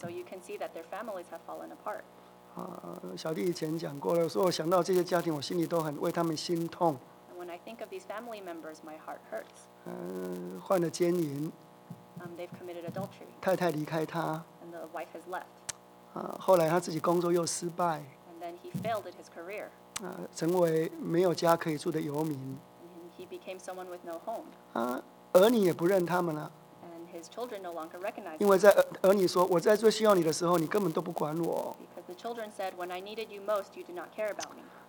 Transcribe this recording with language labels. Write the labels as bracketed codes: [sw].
[en] so you can see that their families have fallen apart. [zh] 小弟以前讲过了，说我想到这些家庭，我心里都很为他们心痛。And [en] when I think of these family members, my heart hurts. [zh] 患了奸淫。They've [en] committed adultery. [zh] 太太离开他。And [en] the wife has left. [zh] 后来他自己工作又失败。And [en] then he failed at his career. [zh] 成为没有家可以住的游民。And [en] he became someone with no home. [zh] 儿女也不认他们了。And [en] his children no longer recognize. [zh] 因为在儿女说我在最需要你的时候，你根本都不管我。 [en] The children said, "When I needed you most, you did not care about me."